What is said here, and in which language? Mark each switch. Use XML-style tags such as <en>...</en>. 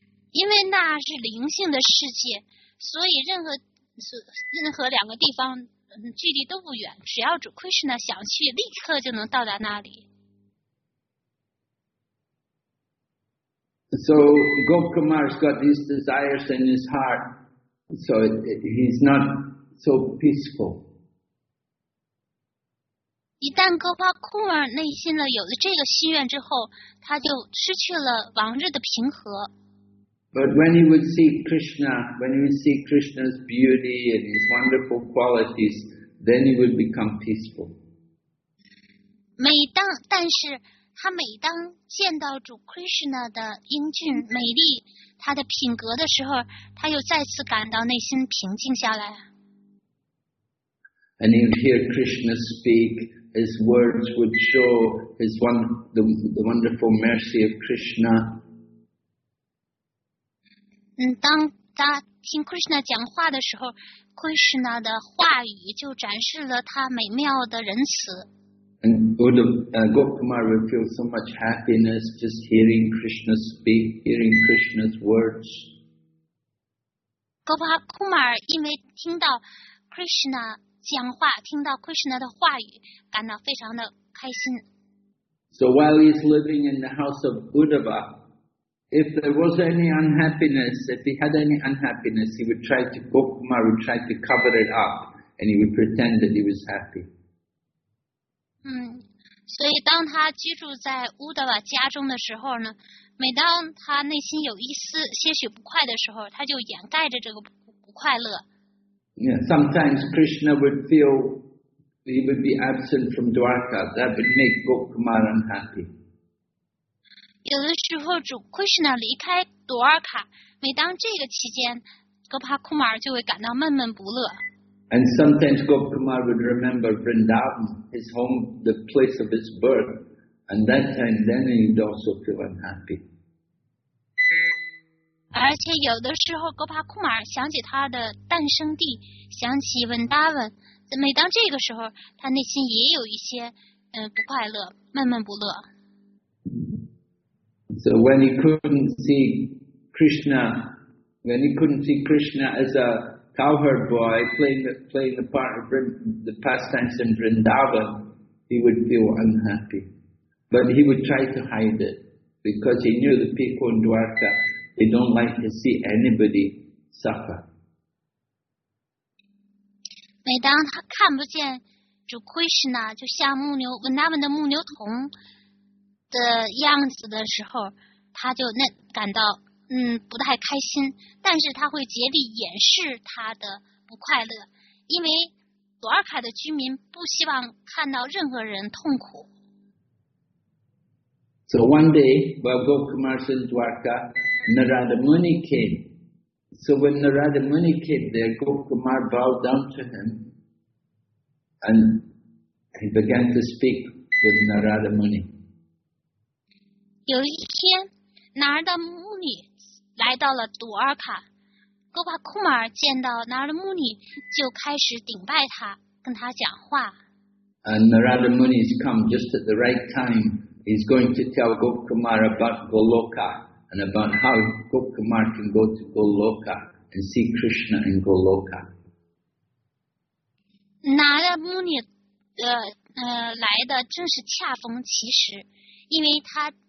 <zh>因为那是灵性的世界。所以任何两个地方距离都不远，只要主 Krishna 想去，立刻就能到达那里。</zh> <en>So Gop Kumar's got these desires in his heart, so he's not so peaceful.</en> <zh>一旦戈巴库尔内心了有了这个心愿之后，他就失去了往日的平和。</zh> <en>But when he would see Krishna, when he would see Krishna's beauty and his wonderful qualities, then he would become peaceful.</en> <zh>但是他每当见到主 Krishna 的英俊美丽，他的品格的时候，他又再次感到内心平静下来。</zh> <en>And he would hear Krishna speak, his words would show the wonderful mercy of Krishna.</en> <zh>当他听 Krishna 讲话的时候， Krishna 的话语就展示了他美妙的仁慈。</zh> <en>And Gop Kumar would feel so much happiness just hearing Krishna speak, hearing Krishna's words.</en> <zh>Gop Kumar 因为听到 Krishna 讲话，听到 Krishna 的话语，感到非常的开心。</zh> <en>So while he's living in the house of Uddhava,If there was any unhappiness, if he had any unhappiness, Gop Kumar would try to cover it up, and he would pretend that he was happy.</en> <zh>所以当他居住在乌德瓦家中的时候呢，每当他内心有一丝些许不快的时候，他就掩盖着这个不快乐。</zh> <en>Sometimes Krishna would feel he would be absent from Dwarka. That would make Gop Kumar unhappy.</en> <zh>有的时之后主 Krishna 离开朵尔卡，每当这个期间，戈帕库马尔就会感到闷闷不乐。</zh> <en>And sometimes Gopi Kumar would remember Vrindavan, his home, the place of his birth, and that time then he would also feel unhappy.</en> <zh>而且有的时候戈帕库马尔想起他的诞生地，想起 Vrindavan, 每当这个时候他内心也有一些不快乐，闷闷不乐。</zh> <en>So when he couldn't see Krishna, when he couldn't see Krishna as a cowherd boy playing the part of the pastimes in Vrindavan, he would feel unhappy. But he would try to hide it because he knew the people in Dwarka, they don't like to see anybody suffer.</en> <zh>每当他看不见主 Krishna, 就像牧牛 Vrindavan 的牧牛童的样子的时候，他就那感到不太开心，但是他会竭力掩饰他的不快乐，因为朵尔卡的居民不希望看到任何人痛苦。</zh> <en>So one day, while Gopi Kumar was in Dwarka, Narada Muni came. So when Narada Muni came there, Gopi Kumar bowed down to him, and he began to speak with Narada Muni.</en> <zh>有一天，拿儿的穆尼来到了朵尔卡。戈巴库马尔见到拿儿的穆尼，就开始顶拜他，跟他讲话。</zh> <en>And Narada Muni has come just at the right time. He's going to tell Gopakumar about Goloka and about how Gopakumar can go to Goloka and see Krishna in Goloka.</en> <zh>拿儿的穆尼来的正是恰逢其时，因为他。</zh>